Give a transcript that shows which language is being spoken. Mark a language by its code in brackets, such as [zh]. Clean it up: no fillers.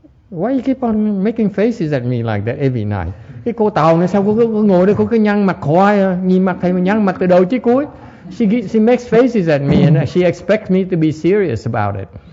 [en] Why you keep on making faces at me like that every night? [vi] Cái cô tàu này sao cô ngồi đây cô cứ nhăn mặt khoai à? Nhìn mặt thầy mà nhăn mặt từ đầu chí cuối. [en] She makes faces at me and she expects me to be serious about it.